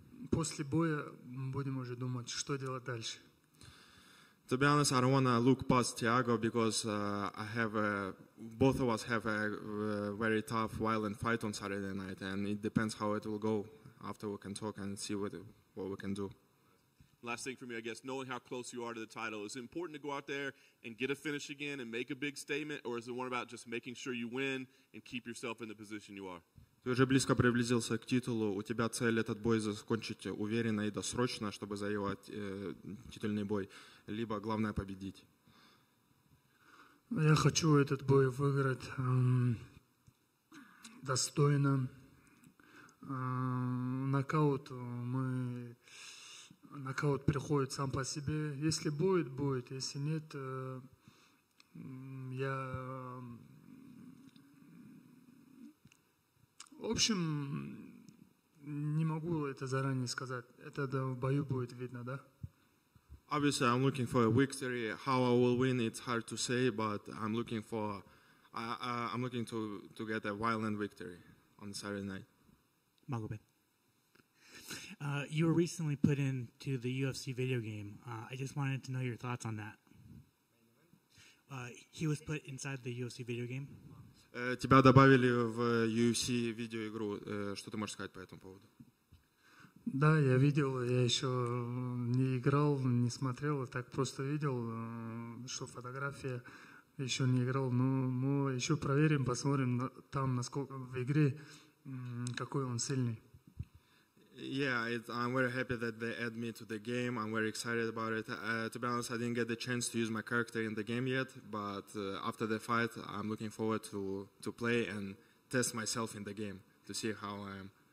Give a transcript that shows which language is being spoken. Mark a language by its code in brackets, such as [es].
[ru] После боя будем уже думать, что делать дальше. [en] To be honest, I don't want to look past Thiago because I have both of us have a very tough, violent fight on Saturday night, and it depends how it will go. After we can talk and see what we can do. Last thing for me, I guess, knowing how close you are to the title, is it important to go out there and get a finish again and make a big statement, or is it one about just making sure you win and keep yourself in the position you are? [ru] Ты уже близко приблизился к титулу. У тебя цель этот бой закончить уверенно и досрочно, чтобы завоевать титульный бой, либо главное победить? Я хочу этот бой выиграть достойно. Нокаут приходит сам по себе. Если будет, будет. Если нет, я... В общем, не могу это заранее сказать. Это в бою будет видно, да? [en] Obviously, I'm looking for a victory. How I will win, it's hard to say, but I'm looking for, I'm looking to get a violent victory on Saturday night. Magomed, you were recently put into the UFC video game. I just wanted to know your thoughts on that. He was put inside the UFC video game. [ru] Тебя добавили в UFC видео игру. Что ты можешь сказать по этому поводу? Да, я видел, я еще не играл, не смотрел, так просто видел, что фотография, еще не играл, но еще проверим, посмотрим там, насколько в игре, какой он сильный. [en] Yeah, I'm very happy that they add me to the game, I'm very excited about it. To be honest, I didn't get the chance to use my character in the game yet, but after the fight, I'm looking forward to play and test myself in the game, to see how I am.